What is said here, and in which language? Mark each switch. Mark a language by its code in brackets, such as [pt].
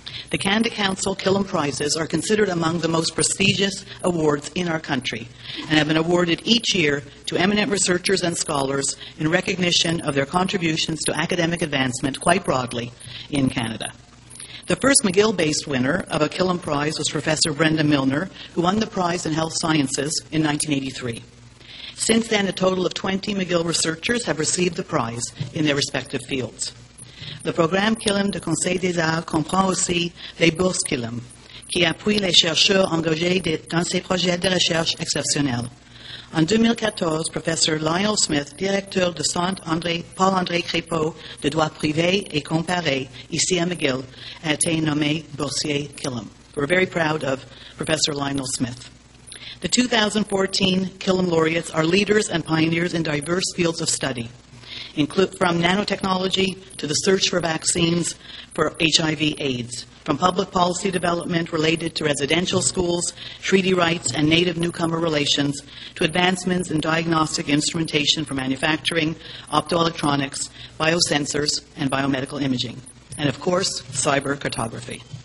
[en] The Canada Council Killam Prizes are considered among the most prestigious awards in our country and have been awarded each year to eminent researchers and scholars in recognition of their contributions to academic advancement quite broadly in Canada. The first McGill-based winner of a Killam Prize was Professor Brenda Milner, who won the prize in health sciences in 1983. Since then, a total of 20 McGill researchers have received the prize in their respective fields. [fr] Le programme Killam de Conseil des Arts comprend aussi les bourses Killam, qui appuient les chercheurs engagés dans ces projets de recherche exceptionnels. En 2014, Professor Lionel Smith, directeur du Centre Paul-André Crépeau de droit privé et comparé ici à McGill, a été nommé boursier Killam. [en] We're very proud of Professor Lionel Smith. The 2014 Killam laureates are leaders and pioneers in diverse fields of study, include from nanotechnology to the search for vaccines for HIV/AIDS, from public policy development related to residential schools, treaty rights, and native newcomer relations, to advancements in diagnostic instrumentation for manufacturing, optoelectronics, biosensors, and biomedical imaging, and of course, cyber cartography.